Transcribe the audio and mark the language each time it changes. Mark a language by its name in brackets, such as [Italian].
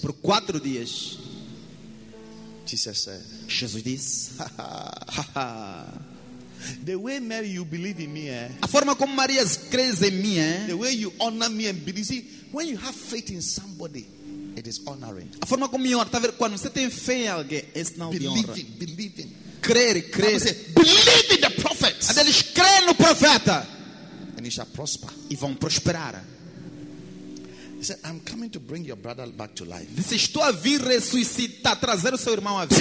[Portuguese] Por 4 dias. [English] Jesus said. [Portuguese] Jesus disse. [English] The way Mary, you believe in me, [Portuguese] a forma como Maria crê em mim, [English] the way you honor me and believe, see, when you have faith in somebody, it is honoring. [Portuguese] A forma como honra, tá vendo? Quando você tem fé em alguém, é sinal de honra. [English] Believing. [Portuguese] Crer. [English] Say, believe in the prophet. [Portuguese] And eles creem no profeta. [English] And he shall prosper. [Portuguese] E vão prosperar. [English] He said, I'm coming to bring your brother back to life. [Portuguese] Disse, estou a vir ressuscitar, trazer o seu irmão à vida.